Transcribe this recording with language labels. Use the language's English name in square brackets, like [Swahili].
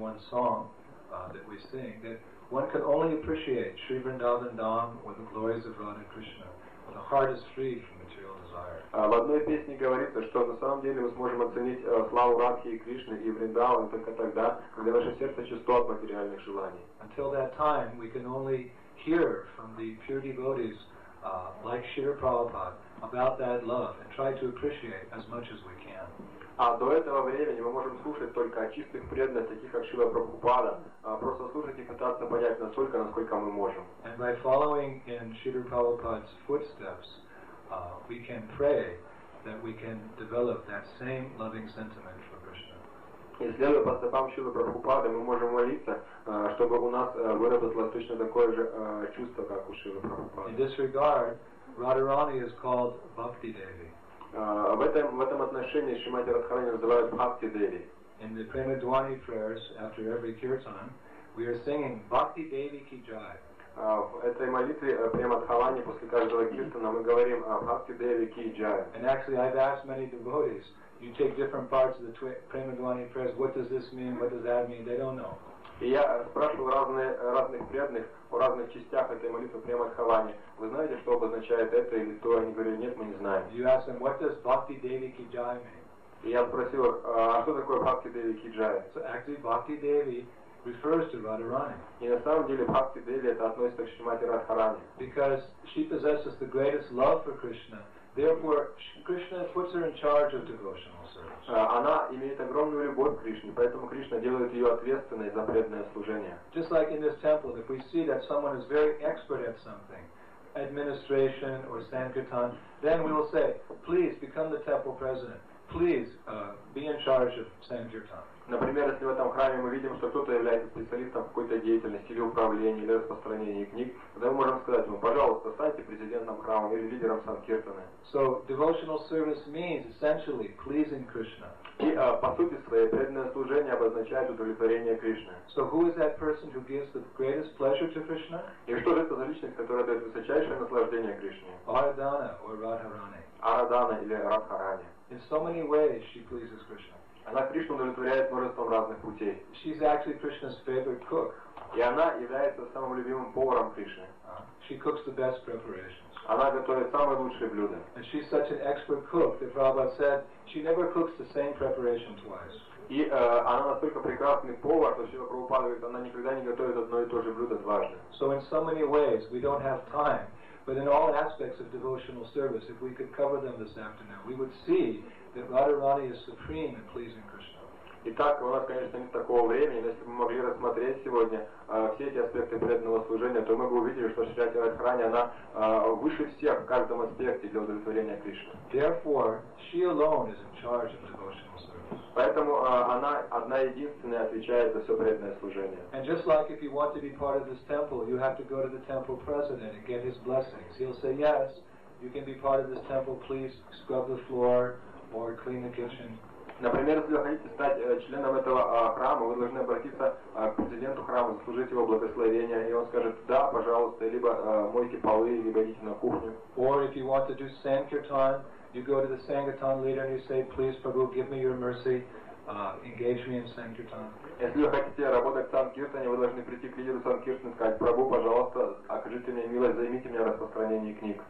[English] Song that we sing, that one can only appreciate Sri Vrindavan Dham or the glories of Radha Krishna when the heart is free from material desire. [Russian] В одной песне говорится, что на самом деле мы сможем оценить славу Радхи и Кришны и Вриндаван только тогда, когда наше сердце чисто от материальных желаний. [English] Until that time, we can only hear from the pure devotees like Srila Prabhupada about that love and try to appreciate as much as we can. [Russian] А до этого времени мы можем слушать только о чистых преданных, таких как Шрила Прабхупада, просто слушать и пытаться понять настолько, насколько мы можем. [English] And by following in Srila Prabhupada's footsteps, we can pray that we can develop that same loving sentiment for Krishna. [Russian] И следуя по стопам Шрилы Прабхупады, мы можем молиться, чтобы у нас выработалось точно такое же чувство, как у Шрилы Прабхупады. [English] In this regard, Radharani is called Bhakti Devi. [Russian] В этом отношении Шримати Радхарани называют Бхакти Деви. [English] In the Prema Dwani prayers after every kirtan, we are singing Bhakti Devi Ki Jai. [Russian] В этой молитве Према Дхавани после каждого киртана мы говорим Бхакти Деви Ки Джай. [English] And actually, I've asked many devotees, you take different parts of the Prema Dwani prayers, what does this mean, what does that mean, they don't know. [Russian] И я спрашивал разных преданных о разных частях этой молитвы Према Дхавани. Вы знаете, что обозначает это или то? Они говорили: нет, мы не знаем. [English] You ask them, what does Bhakti Devi Ki Jai mean? [Russian] И я спросил их, а что такое Bhakti Devi Ki Jai? [English] So actually, Bhakti Devi refers to Radharani. [Russian] И на самом деле Bhakti Devi это относится к Шримати Радхарани. [English] Because she possesses the greatest love for Krishna. Therefore, Krishna puts her in charge of devotional service. [Russian] Она имеет огромную любовь к Кришне, поэтому Кришна делает ее ответственной за преданное служение. [English] Just like in this temple, if we see that someone is very expert at something, administration or sankirtan, then we will say, please become the temple president. Please be in charge of sankirtan. [Russian] Например, если в этом храме мы видим, что кто-то является специалистом в какой-то деятельности или управлении, или распространении книг, тогда мы можем сказать ему: пожалуйста, станьте президентом храма или лидером санкиртаны. [English] So devotional service means essentially pleasing Krishna. [Russian] И по сути своей преданное служение обозначает удовлетворение Кришны. [English] So who is that person who gives the greatest pleasure to Krishna? [Russian] И что же это за личность, которая дает высочайшее наслаждение Кришне? Арадана or Радхарани. Арадана или Радхарани. [English] In so many ways she pleases Krishna. [Russian] Она Кришну удовлетворяет множеством разных путей. [English] She's actually Krishna's favorite cook. [Russian] И она является самым любимым поваром Кришны. [English] She cooks the best preparations. [Russian] Она готовит самые лучшие блюда. [English] And she's such an expert cook that Prabhupada said she never cooks the same preparation twice. [Russian] И она настолько прекрасный повар, что Шрила Прабхупада говорит, она никогда не готовит одно и то же блюдо дважды. [English] So in so many ways we don't have time, but in all aspects of devotional service, if we could cover them this afternoon, we would see that Radharani is supreme in pleasing Krishna. [Russian] Итак, у нас, конечно, нет такого времени, но если бы мы могли рассмотреть сегодня все эти аспекты преданного служения, то мы бы увидели, что Шри Радхарани, она выше всех в каждом аспекте для удовлетворения Кришны. [English] Therefore, she alone is in charge of devotional service. [Russian] Поэтому она одна единственная отвечает за все преданное служение. [English] And just like if you want to be part of this temple, you have to go to the temple president and get his blessings. He'll say, yes, you can be part of this temple, please scrub the floor or clean the kitchen. [Russian] Например, если вы хотите стать членом этого храма, вы должны обратиться к президенту храма, заслужить его благословение, и он скажет, да, пожалуйста, либо мойте полы, либо идите на кухню. [English] Or if you want to do sankirtan, you go to the sankirtan leader and you say, please, Prabhu, give me your mercy, engage me in sankirtan. [Russian] Если вы хотите работать в санкиртане, вы должны прийти к лидеру санкиртана и сказать, Прабху, пожалуйста, окажите мне милость, займите меня распространением книг.